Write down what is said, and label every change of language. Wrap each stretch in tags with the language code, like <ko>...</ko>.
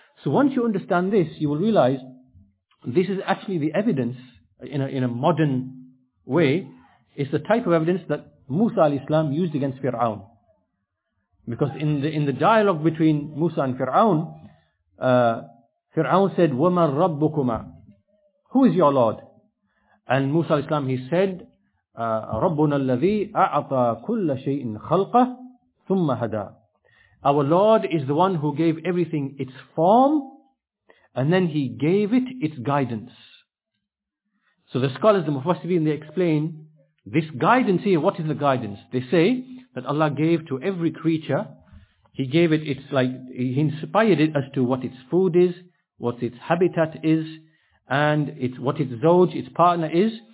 <en>So once you understand this, you will realize this is actually the evidence in a modern way. It's the type of evidence that Musa al-Islam used against Fir'aun. Because in the dialogue between Musa and Fir'aun, Fir'aun said,</en> <ar>وَمَنْ رَبُّكُمَا?</ar> <en>Who is your Lord? And Musa al-Islam, he said,</en> <ar>رَبُّنَا الَّذِي أَعْطَى كُلَّ شَيْءٍ خَلْقَهُ ثُمَّ هَدَى.</ar> <en>Our Lord is the one who gave everything its form, and then He gave it its guidance. So the scholars, the Mufassirin, they explain this guidance here. What is the guidance? They say that Allah gave to every creature, He gave it its, like, He inspired it as to what its food is, what its habitat is, and its, what its zawj, its partner is.</en>